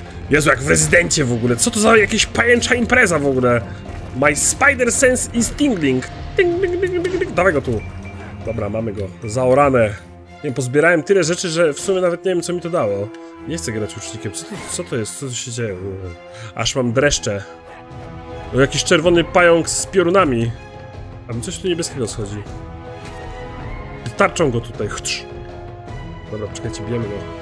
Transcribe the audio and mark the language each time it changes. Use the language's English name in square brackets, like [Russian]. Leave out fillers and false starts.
[Polish] Jezu, jak w Rezydencie w ogóle. Co to za jakaś pajęcza impreza w ogóle? [English] My spider sense is tingling. Ding, ding, ding, ding, ding. [Polish] Dawaj go tu. Dobra, mamy go. Zaorane. Nie, pozbierałem tyle rzeczy, że w sumie nawet nie wiem, co mi to dało. Nie chcę grać ucznikiem. Co to jest? Co tu się dzieje? Aż mam dreszcze. No jakiś czerwony pająk z piorunami. A mi coś tu niebieskiego schodzi. Tarczą go tutaj. Chcz. Dobra, czekajcie, bijemy go.